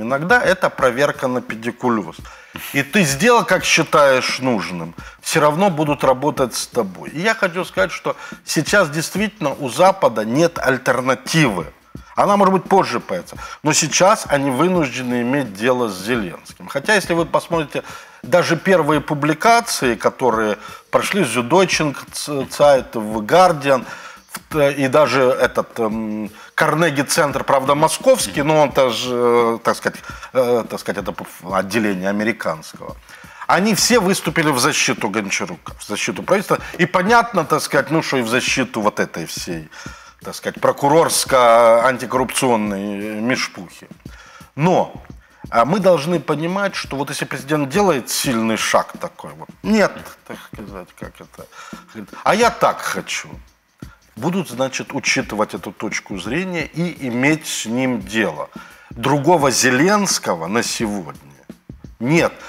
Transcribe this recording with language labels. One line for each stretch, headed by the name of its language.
Ukrainian: Іноді це перевірка на педикулюз. І ти зробив, як вважаєш потрібним, все одно будуть працювати з тобою. І я хочу сказати, що зараз дійсно у Запада немає альтернативи. Вона, може бути, позже з'явиться. Але зараз вони вимушені мати справу з Зеленським. Хоча, якщо ви подивитеся, навіть перші публікації, які пройшли в «Süddeutschen», в «Guardian», і навіть этот Карнегі-центр, правда, московський, але це ж, так сказати, це відділення американського. Вони всі виступили
Russian: в защиту
Ukrainian: Гончарука,
Russian: в защиту правительства.
Ukrainian: І понятно, так сказати, ну, що і в защиту
Russian: вот этой всей,
Ukrainian: так сказати, прокурорсько-антикорупційної мішпухи.
Russian: Но А мы должны понимать, что вот если президент делает сильный шаг такой, вот, нет, так сказать, как это, а я так хочу, будут, значит, учитывать эту точку зрения и иметь с ним дело. Другого Зеленского на сегодня нет.